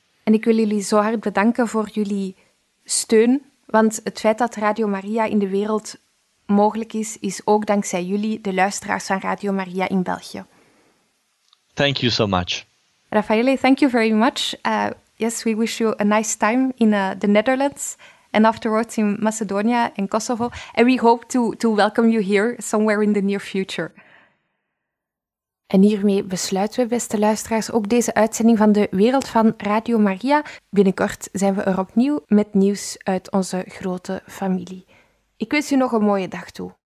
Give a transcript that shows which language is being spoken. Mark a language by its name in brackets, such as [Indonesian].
[Dutch] En ik wil jullie zo hard bedanken voor jullie steun, want het feit dat Radio Maria in de wereld mogelijk is, is ook dankzij jullie, de luisteraars van Radio Maria in België. [English] Thank you so much. Raffaele, thank you very much. Yes, we wish you a nice time in the Netherlands and afterwards in Macedonia and Kosovo. And we hope to welcome you here somewhere in the near future. [Dutch] En hiermee besluiten we, beste luisteraars, ook deze uitzending van de Wereld van Radio Maria. Binnenkort zijn we er opnieuw met nieuws uit onze grote familie. Ik wens u nog een mooie dag toe.